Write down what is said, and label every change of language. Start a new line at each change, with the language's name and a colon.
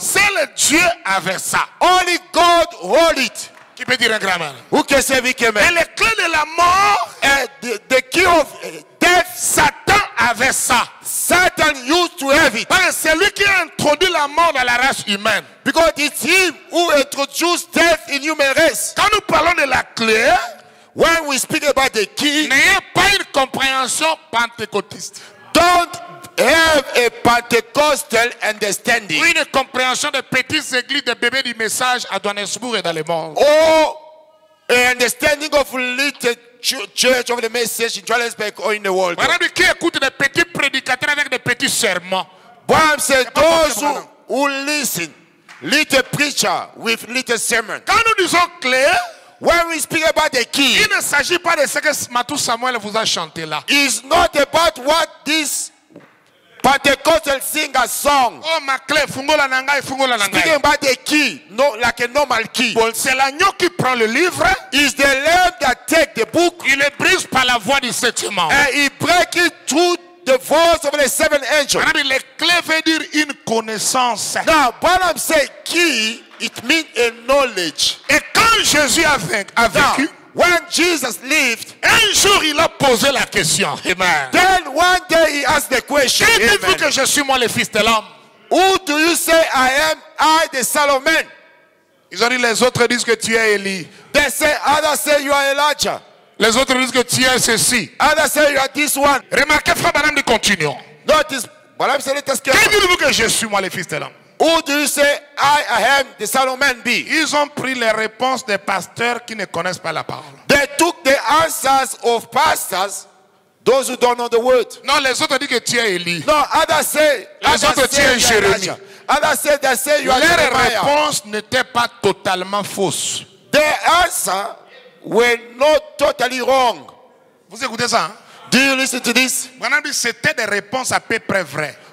French: C'est le Dieu avec ça.
English: Only God hold it.
French: Qui peut dire un grand amen?
English: Who can say big amen?
French: Et les clés de la mort.
English: The key of death.
French: Satan avait ça.
English: Satan used to have it.
French: Parce que c'est lui qui a introduit la mort dans la race humaine.
English: Because it's him who introduced death in human race.
French: Quand nous parlons de la clé,
English: when we speak about the key,
French: n'ayez pas une compréhension pentecôtiste.
English: Don't have a Pentecostal understanding.
French: Une compréhension de petites églises, de bébés du message à Johannesburg et dans le monde.
English: Oh, an understanding of little church of the message in Johannesburg or in the world.
French: Voilà, qui écoute des petits prédicateurs avec des petits sermons. Bon, c'est
English: those who listen, little preacher with little sermon.
French: Quand nous disons clé,
English: when we speak about the key,
French: il ne s'agit pas de ce que Matou Samuel vous a chanté là.
English: It's not about what this Pentecostal sing a song.
French: Oh, ma clé,
Lingala: fungola nangai, fungola nangai.
English: Speaking about the key, no, like a normal key.
French: Bon, c'est l'agneau qui prend le livre.
English: Is the lamb that take the book.
French: Il le brise par la voix du septième ange.
English: And he break it through the voice of the seven angels.
French: Madame, le clé veut dire une connaissance.
English: Now, when I'm saying key, it means a knowledge.
French: Et quand Jésus a vaincu,
English: when Jesus lived,
French: un jour il a posé la question.
English: Amen. Then one day he asked the question.
French: Qui dites-vous que je suis moi le fils de l'homme?
English: Who do you say I am? I the son of man.
French: Ils ont dit les autres disent que tu es Élie.
English: They say others say you are Elijah.
French: Les autres disent que tu es ceci.
English: Others say you are this one.
French: Remarquez frère Branham, nous continuons.
English: Notice,
French: voilà, c'est le test. Qui dites-vous que je suis moi le fils de l'homme?
English: Who do you say I am the son of man be?
French: Ils ont pris les réponses des pasteurs qui ne connaissent pas la parole.
English: They took the answers of pastors, those who don't know the word.
French: Non, les autres disent que tu es Élie.
English: No, others say.
French: Les autres tu es Jérémie.
English: Others say they say you are
French: Jeremiah. Leurs réponses n'étaient pas totalement fausses.
English: Their answer were not totally wrong.
French: Vous écoutez ça?
English: Do you listen to this?
French: Madame, c'était des réponses à peu près vraies.